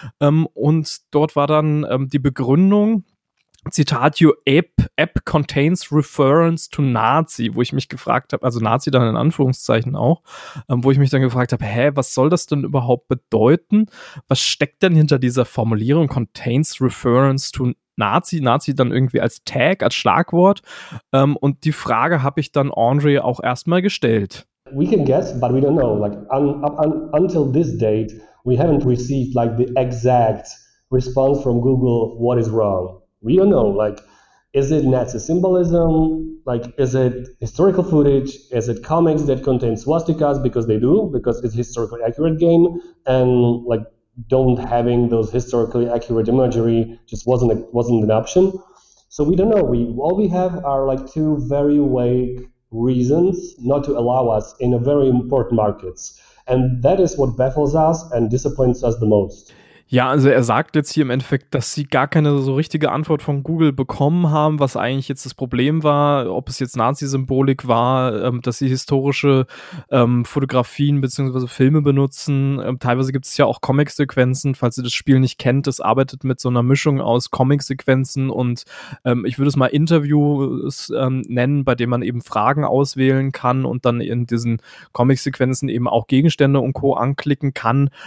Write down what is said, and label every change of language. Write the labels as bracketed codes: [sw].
[de] Und dort war dann die Begründung, Zitat, [en] your app contains reference to Nazi, [de] wo ich mich gefragt habe, also Nazi dann in Anführungszeichen auch, wo ich mich dann gefragt habe, hä, was soll das denn überhaupt bedeuten? Was steckt denn hinter dieser Formulierung, [en] contains reference to Nazi [de] dann irgendwie als Tag, als Schlagwort? Und die Frage habe ich dann Andre auch erstmal gestellt. [en] We can guess, but we don't know. Like until this date, we haven't received like the exact response from Google, what is wrong. We don't know. Like, is it Nazi symbolism? Like, is it historical footage? Is it comics that contain swastikas? Because they do, because it's a historically accurate game. And like, don't having those historically accurate imagery just wasn't an option. So we don't know. All we have are like two very vague reasons not to allow us in a very important markets. And that is what baffles us and disappoints us the most. [de] Ja, also er sagt jetzt hier im Endeffekt, dass sie gar keine so richtige Antwort von Google bekommen haben, was eigentlich jetzt das Problem war, ob es jetzt Nazi-Symbolik war, dass sie historische Fotografien bzw. Filme benutzen. Teilweise gibt es ja auch Comic-Sequenzen, falls ihr das Spiel nicht kennt, es arbeitet mit so einer Mischung aus Comic-Sequenzen und ich würde es mal Interviews nennen, bei denen man eben Fragen auswählen kann und dann in diesen Comic-Sequenzen eben auch Gegenstände und Co. anklicken kann.